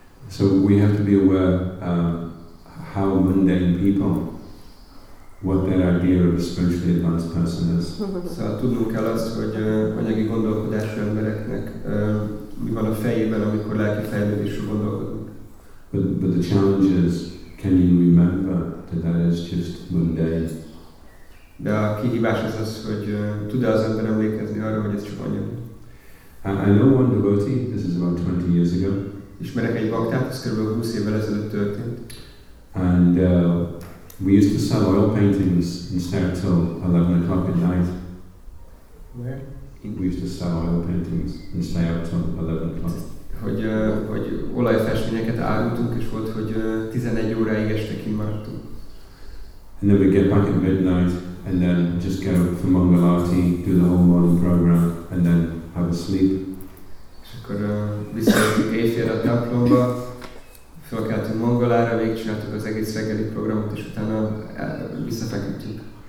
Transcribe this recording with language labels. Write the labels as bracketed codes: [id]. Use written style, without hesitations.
[en] So we have to be aware how mundane people, what their idea of a spiritually advanced person is. [hu] Szóval tudnunk kell azt, hogy anyagi gondolkodású embereknek mi van a fejében, amikor lelki fejlődésről gondolkodunk. [en] But the challenge is, can you remember that that is just mundane? [hu] De a kihívás az az, hogy tud-e az ember emlékezni arra, hogy ez csak anyag. [en] I know one devotee, this is about 20 years ago. [hu] Ismerek egy baktát, ez kb. 20 évvel ezelőtt történt. [en] And we used to sell oil paintings and stay until 11 o'clock at night. Where? We used to sell oil paintings and stay out till 11 o'clock. [hu] Hogy olajfestményeket árultunk, és volt, hogy 11 óráig este kimaradtunk. [en] And then we get back at midnight, and then just go for Mangalati, do the whole morning program, and then have a sleep. [hu] És akkor visszajöttünk éjfélre a templomba, felkeltünk Mangalára, végigcsináltuk az egész reggeli programot, és utána visszafeküdtünk.